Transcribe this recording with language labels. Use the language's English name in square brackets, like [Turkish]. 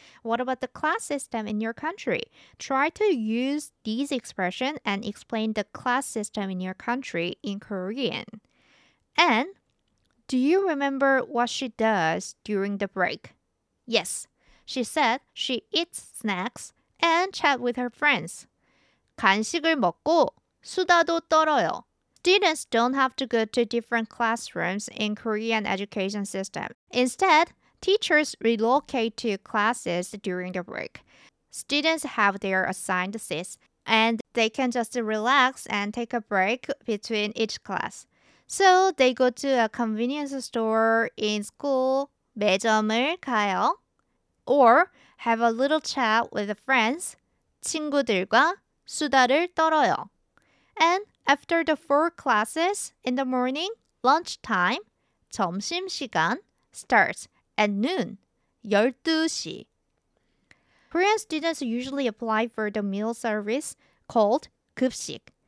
[English] What about the class system in your country? Try to use these expressions and explain the class system in your country in Korean. And do you remember what she does during the break? Yes, she said she eats snacks and chat with her friends. [Korean] 간식을 먹고 수다도 떨어요. [English] Students don't have to go to different classrooms in Korean education system. Instead, teachers relocate to classes during the break. Students have their assigned seats, and they can just relax and take a break between each class. So they go to a convenience store in school, [Korean] 매점을 가요, [English] or have a little chat with friends, [Korean] 친구들과 수다를 떨어요. [English] And after the 4 classes in the morning, lunch time, 점심시간, starts at noon, [Korean] 12시. [English] Korean students usually apply for the meal service called 급식.